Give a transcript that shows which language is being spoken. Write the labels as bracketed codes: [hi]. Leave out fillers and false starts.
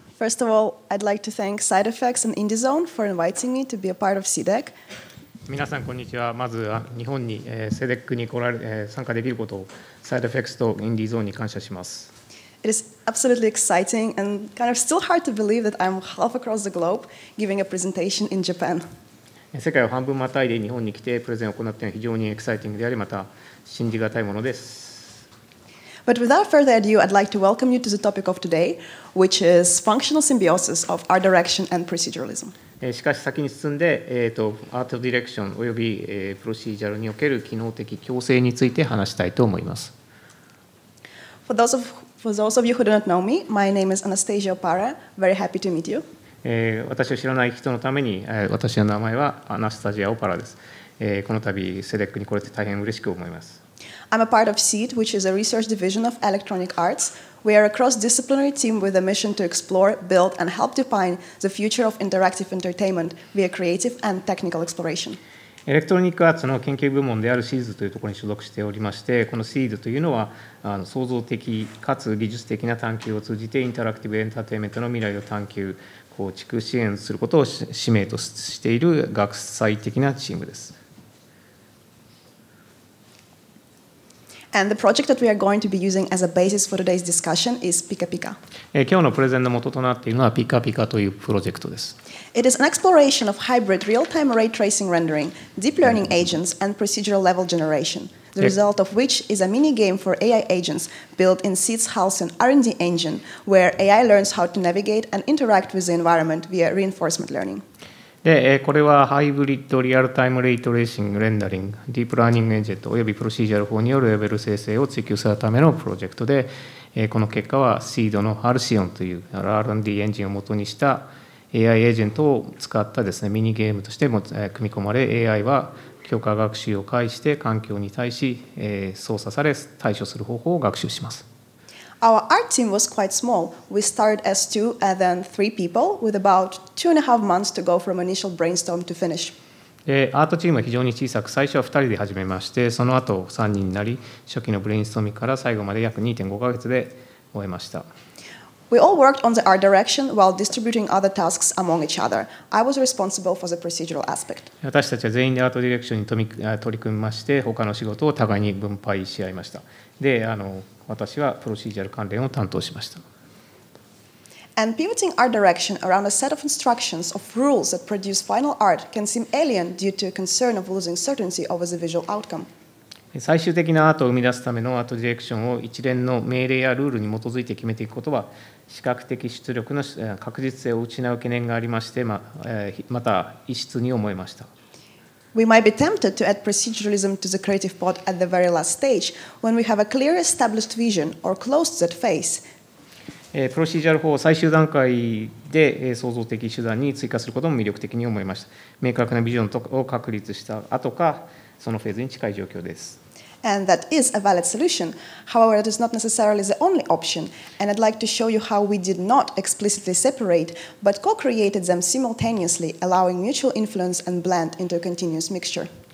[en] First of all, I'd like to thank SideFX and IndyZone for inviting me to be a part of CEDEC. [ja] 皆さん、こんにちは。まず、日本に CEDEC に来られ参加できることを SideFX と IndyZone に感謝します。 [en] It is absolutely exciting and kind of still hard to believe that I'm half across the globe giving a presentation in Japan. [ja] 世界を半分またいで日本に来てプレゼンを行っているのは非常にエキサイティングであり、また信じがたいものです。 [en] But without further ado, I'd like to welcome you to the topic of today, which is functional symbiosis of art direction and proceduralism. [ja] しかし先に進んで、アートディレクションおよびプロシージャルにおける機能的共生について話したいと思います。 [en] For those of you who do not know me, my name is Anastasia Opara. Very happy to meet you. [ja] 私を知らない人のために、私の名前はアナスタジア・オパラです。この度、CEDEC に来れて大変嬉しく思います。 [en] I'm a part of SEED, which is a research division of Electronic Arts. We are a cross-disciplinary team with a mission to explore, build, and help define the future of interactive entertainment via creative and technical exploration. [ja] Electronic Arts の研究部門である SEED というところに所属しておりまして、この SEED というのは創造的かつ技術的な探求を通じてインタラクティブエンターテインメントの未来を探求、構築、支援することを使命としている学際的なチームです。 [en] And the project that we are going to be using as a basis for today's discussion is Pika Pika. [ja] 今日のプレゼンの元となっているのはピカピカというプロジェクトです。 [en] It is an exploration of hybrid real-time ray tracing rendering, deep learning agents, and procedural level generation. The result of which is a mini game for AI agents built in Seed's house and R&D engine, where AI learns how to navigate and interact with the environment via reinforcement learning. [ja] でこれはハイブリッドリアルタイムレイトレーシングレンダリングディープラーニングエンジェットおよびプロシージャル法によるレベル生成を追求するためのプロジェクトでこの結果はシードのハルシオンという R&D エンジンをもとにした AI エージェントを使ったですねミニゲームとしても組み込まれ AI は強化学習を介して環境に対し操作され対処する方法を学習します。 [en] Our art team was quite small. We started as two and then three people with about 2.5 months to go from initial brainstorm to finish. [ja] アートチームは非常に小さく、最初は2人で始めまして、その後3人になり、初期のブレインストーミングから最後まで約 2.5 ヶ月で終えました。 [en] We all worked on the art direction while distributing other tasks among each other. I was responsible for the procedural aspect. [ja] 私たちは全員でアートディレクションに取り組みまして、他の仕事を互いに分配し合いました。で、私はプロシージャル関連を担当しました。 [en] And pivoting art direction around a set of instructions of rules that produce final art can seem alien due to a concern of losing certainty over the visual outcome. [ja] 最終的なアートを生み出すためのアートディレクションを一連の命令やルールに基づいて決めていくことは視覚的出力の確実性を失う懸念がありまして、また異質に思えました。 [en] We might be tempted to add proceduralism to the creative pod at the very last stage, when we have a clear established vision or close to that phase. [ja] プロシージャル法を最終段階で創造的手段に追加することも魅力的に思いました。明確なビジョンを確立した後か、そのフェーズに近い状況です。 [en] And that is a valid solution. However, it is not necessarily the only option. And I'd like to show you how we did not explicitly separate, but co-created them simultaneously, allowing mutual influence and blend into a continuous mixture.